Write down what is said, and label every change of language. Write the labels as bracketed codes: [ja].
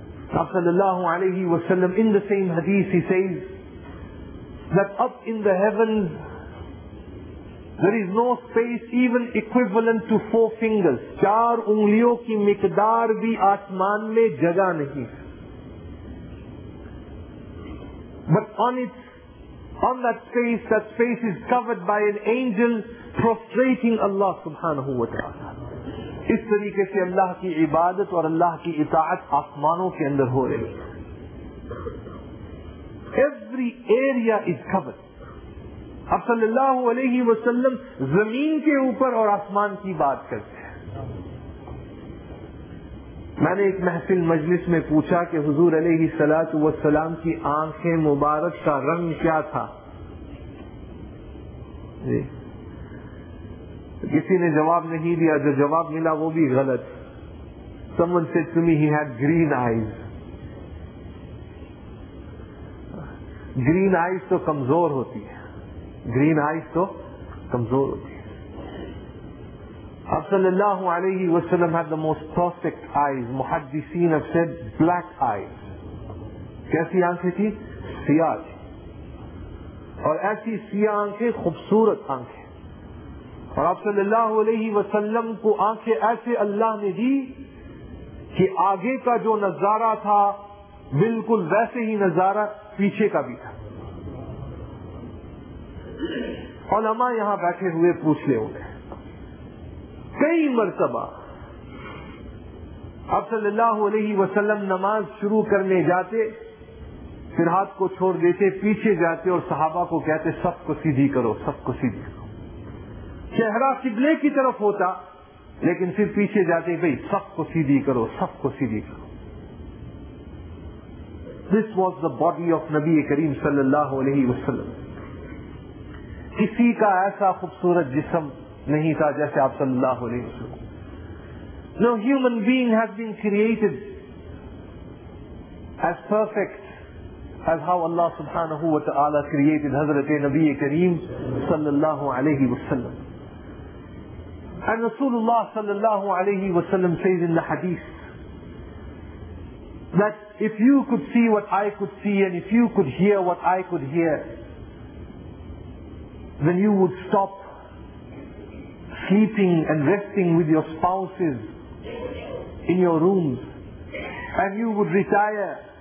[en] Prophet sallallahu alayhi wa sallam, in the same hadith, he says that up in the heavens there is no space even equivalent to four fingers. [ur] Char ungliyon ki miqdar bhi aasman mein jagah nahi. [en] But on that space, that space is covered by an angel prostrating Allah subhanahu wa ta'ala. [ur] اس طریقے سے اللہ کی عبادت اور اللہ کی اطاعت آسمانوں کے اندر ہو رہی ہے. [en] Every area is covered. [ur] اب صلی اللہ علیہ وسلم زمین کے اوپر اور آسمان کی بات کرتے ہیں. میں نے ایک محفل مجلس میں پوچھا کہ حضور علیہ السلام کی آنکھیں مبارک کا رنگ کیا تھا. کسی نے جواب نہیں دیا. جو جواب ملا وہ بھی غلط. [en] Someone said to me he had green eyes. Green eyes [ur] تو کمزور ہوتی ہے. Green eyes تو کمزور ہوتی ہے. [en] اب صلی اللہ علیہ وسلم had the most perfect eyes. محدثین have said black eyes. [ur] کیسی آنکھیں تھی؟ سیاہ. اور ایسی سیاہ آنکھیں خوبصورت آنکھیں. اور آپ صلی اللہ علیہ وسلم کو آنکھیں ایسے اللہ نے دی کہ آگے کا جو نظارہ تھا بالکل ویسے ہی نظارہ پیچھے کا بھی تھا. علماء یہاں بیٹھے ہوئے پوچھ لے انہیں کئی مرتبہ. آپ صلی اللہ علیہ وسلم نماز شروع کرنے جاتے پھر ہاتھ کو چھوڑ دیتے, پیچھے جاتے اور صحابہ کو کہتے سب کو سیدھی کرو, سب کو سیدھی کرو. چہرہ قبلے کی طرف ہوتا لیکن پھر پیچھے جاتے بھئی سب کو سیدھی کرو, سب کو سیدھی کرو. [en] This was the body of نبی کریم صلی اللہ علیہ وسلم. [ur] کسی کا ایسا خوبصورت جسم نہیں تھا جیسے آپ صلی اللہ علیہ وسلم. [en] No human being has been created as perfect as how Allah سبحانہ وتعالی created حضرت نبی کریم صلی اللہ علیہ وسلم. And Rasulullah sallallahu alayhi wa sallam says in the hadith that if you could see what I could see and if you could hear what I could hear, then you would stop sleeping and resting with your spouses in your rooms and you would retire